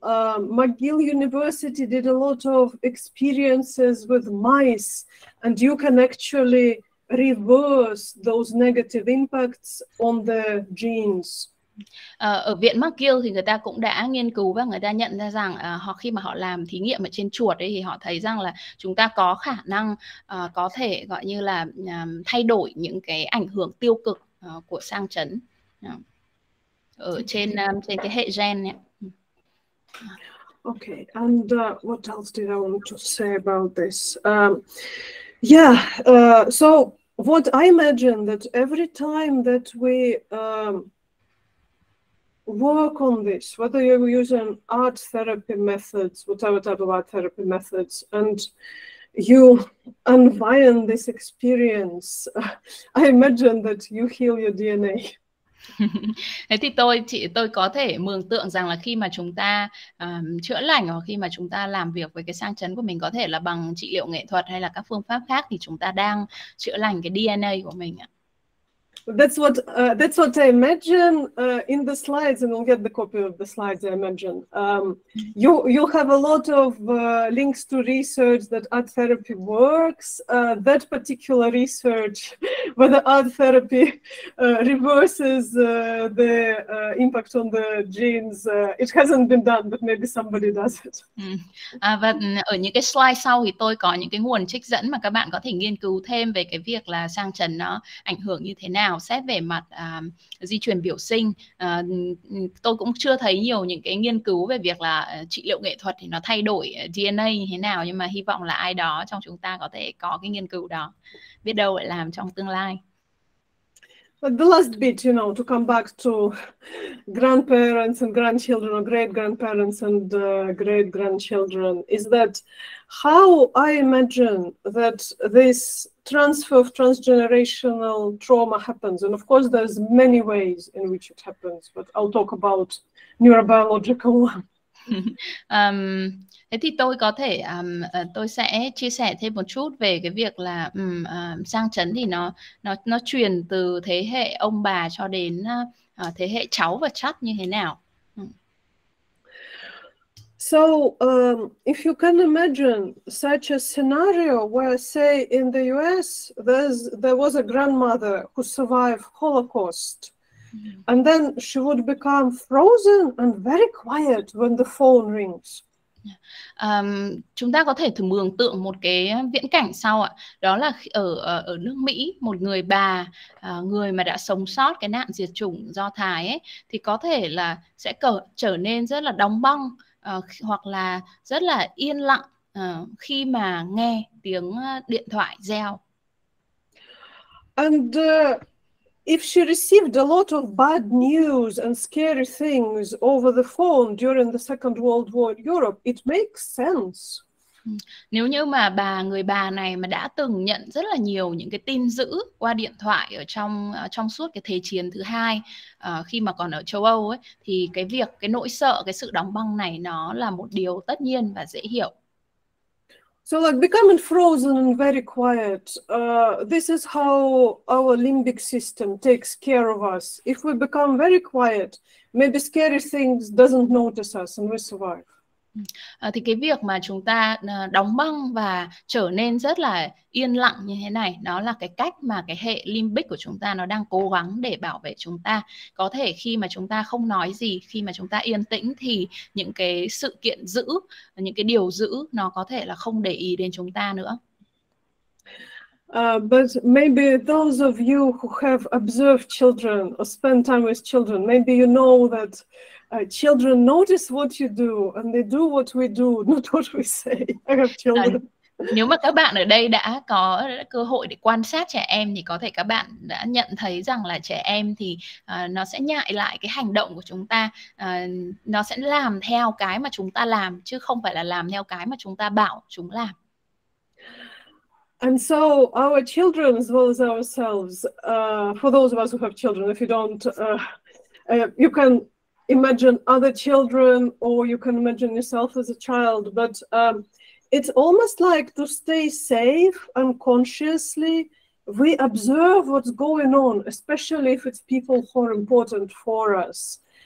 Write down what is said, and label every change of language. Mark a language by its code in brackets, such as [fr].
[en] McGill University did a lot of experiences with mice, and you can actually reverse those negative impacts on the genes. [vi] Ở viện McGill thì người ta cũng đã nghiên cứu và người ta nhận ra rằng họ khi mà họ làm thí nghiệm ở trên chuột ấy, thì họ thấy rằng là chúng ta có khả năng có thể gọi như là thay đổi những cái ảnh hưởng tiêu cực của sang chấn ở trên trên cái hệ gen ấy. [en] Okay, and what else did I want to say about this? So what I imagine that every time that we work on this, whether you're using art therapy methods, whatever type of art therapy methods, and you unwind this experience, I imagine that you heal your DNA. [vi] Thế thì tôi có thể mường tượng rằng là khi mà chúng ta chữa lành hoặc khi mà chúng ta làm việc với cái sang chấn của mình, có thể là bằng trị liệu nghệ thuật hay là các phương pháp khác, thì chúng ta đang chữa lành cái DNA của mình ạ. [en] That's what I imagine in the slides, and we'll get the copy of the slides. I imagine you have a lot of links to research that art therapy works. That particular research, whether art therapy reverses the impact on the genes, it hasn't been done, but maybe somebody does it. [vi] Và ở những cái slide sau thì tôi có những cái nguồn trích dẫn mà các bạn có thể nghiên cứu thêm về cái việc là sang chấn nó ảnh hưởng như thế nào. Xét về mặt di truyền biểu sinh, tôi cũng chưa thấy nhiều những cái nghiên cứu về việc là trị liệu nghệ thuật thì nó thay đổi DNA như thế nào, nhưng mà hy vọng là ai đó trong chúng ta có thể có cái nghiên cứu đó, biết đâu lại làm trong tương lai. [en] But the last bit, you know, to come back to grandparents and grandchildren or great grandparents and great grandchildren, is that how I imagine that this transfer of transgenerational trauma happens. And of course, there's many ways in which it happens, but I'll talk about neurobiological ones. [vi] Thế thì tôi có thể tôi sẽ chia sẻ thêm một chút về cái việc là sang chấn thì nó truyền từ thế hệ ông bà cho đến thế hệ cháu và chắt như thế nào. [en] So, if you can imagine such a scenario where, say, in the US, there was a grandmother who survived Holocaust, and then she would become frozen and very quiet when the phone rings. [vi] Chúng ta có thể thử mường tượng một cái viễn cảnh sau ạ. Đó là ở ở nước Mỹ, một người bà, người mà đã sống sót cái nạn diệt chủng Do Thái ấy, thì có thể là sẽ trở nên rất là đóng băng, hoặc là rất là yên lặng khi mà nghe tiếng điện thoại reo. [en] And if she received a lot of bad news and scary things over the phone during the Second World War in Europe, it makes sense. [vi] Nếu như mà bà người bà này mà đã từng nhận rất là nhiều những cái tin dữ qua điện thoại ở trong trong suốt cái Thế chiến thứ hai khi mà còn ở châu Âu ấy, thì cái việc cái nỗi sợ cái sự đóng băng này nó là một điều tất nhiên và dễ hiểu. [en] So like becoming frozen and very quiet, this is how our limbic system takes care of us. If we become very quiet, maybe scary things doesn't notice us and we survive. [vi] Thì cái việc mà chúng ta đóng băng và trở nên rất là yên lặng như thế này, đó là cái cách mà cái hệ limbic của chúng ta nó đang cố gắng để bảo vệ chúng ta. Có thể khi mà chúng ta không nói gì, khi mà chúng ta yên tĩnh thì những cái sự kiện dữ, những cái điều dữ nó có thể là không để ý đến chúng ta nữa. [en] But maybe those of you who have observed children or spend time with children, maybe you know that children notice what you do and they do what we do, not what we say. I have children. [vi] Nếu mà các bạn ở đây đã có cơ hội để quan sát trẻ em thì có thể các bạn đã nhận thấy rằng là trẻ em thì nó sẽ nhại lại cái hành động của chúng ta, nó sẽ làm theo cái mà chúng ta làm chứ không phải là làm theo cái mà chúng ta bảo chúng làm. [en] And so our children as well as ourselves, for those of us who have children, if you don't, you can imagine other children or you can imagine yourself as a child, but it's almost like to stay safe unconsciously, we observe what's going on, especially if it's people who are important for us.